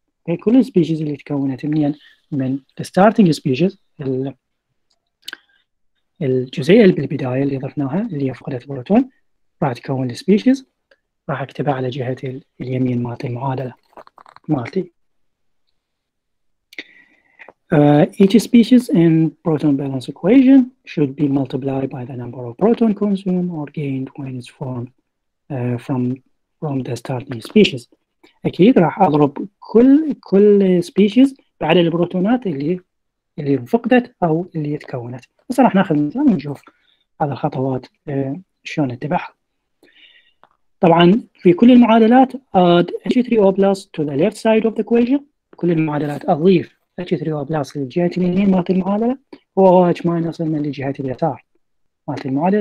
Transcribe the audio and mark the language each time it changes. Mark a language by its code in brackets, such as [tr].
[ar] Okay, كل الـ species اللي تكونت منين؟ من [en] the starting species، [ar] الجزيئة بالبداية اللي ضفناها اللي فقدت البروتون، راح تكون الـ species، راح اكتبها على جهة اليمين مالتي المعادلة مالتي. [en] Each species in proton balance equation should be multiplied by the number of proton consumed or gained when it's formed from the starting species. [ar] أكيد راح أضرب كل species بعد البروتونات اللي فقدت أو اللي تكونت. بس راح ناخذ مثال ونشوف هذه الخطوات شلون نتبعها. طبعا في كل المعادلات [en] add H3O plus to the left side of the equation، [ar] كل المعادلات اضيف H3O plus للجهة اليمين مالت المعادلة، و OH minus من الجهة اليسار مالت المعادلة.